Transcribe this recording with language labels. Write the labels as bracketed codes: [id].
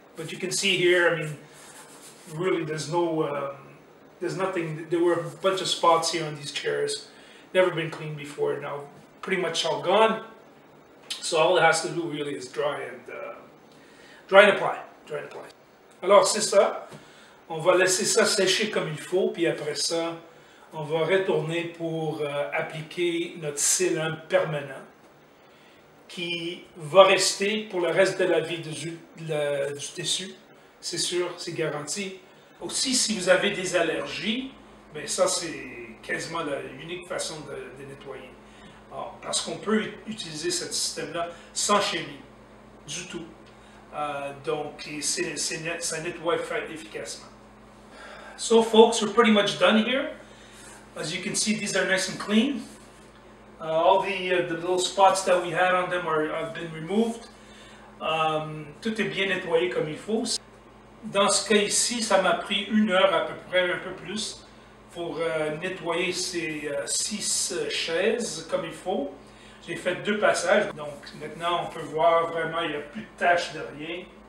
[en] But you can see here, I mean, really there's no, there's nothing, there were a bunch of spots here on these chairs, never been cleaned before, now pretty much all gone. So all it has to do really is dry and dry and apply. [fr] Alors c'est ça, on va laisser ça sécher comme il faut, puis après ça, on va retourner pour appliquer notre sealant permanent, qui va rester pour le reste de la vie du tissu, c'est sûr, c'est garanti. Aussi, si vous avez des allergies, bien ça c'est quasiment l'unique façon de nettoyer. Alors, parce qu'on peut utiliser ce système-là sans chimie, du tout. Donc, ça nettoie très efficacement. [en] So folks, we're pretty much done here. As you can see, these are nice and clean. All the little spots that we had on them have been removed. [fr] Tout est bien nettoyé comme il faut. Dans ce cas ici, ça m'a pris une heure à peu près, un peu plus, pour nettoyer ces six chaises comme il faut. J'ai fait deux passages, donc maintenant on peut voir vraiment, il n'y a plus de taches de rien.